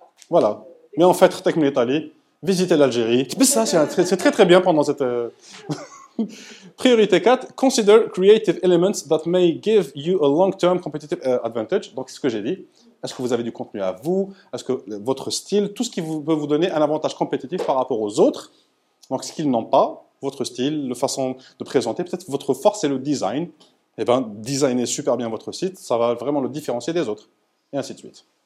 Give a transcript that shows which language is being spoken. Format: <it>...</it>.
<fr>Voilà. Mais en fait, t'as qu'une Italie, visiter l'Algérie. Mais ça, c'est très très bien pendant cette... Priorité 4,</fr> <en>consider creative elements that may give you a long-term competitive advantage.</en> <fr>Donc, c'est ce que j'ai dit. Est-ce que vous avez du contenu à vous? Est-ce que votre style, tout ce qui peut vous donner un avantage compétitif par rapport aux autres, donc ce qu'ils n'ont pas, votre style, la façon de présenter, peut-être votre force, c'est le design. Eh bien, designer super bien votre site, ça va vraiment le différencier des autres. Et ainsi de suite.</fr>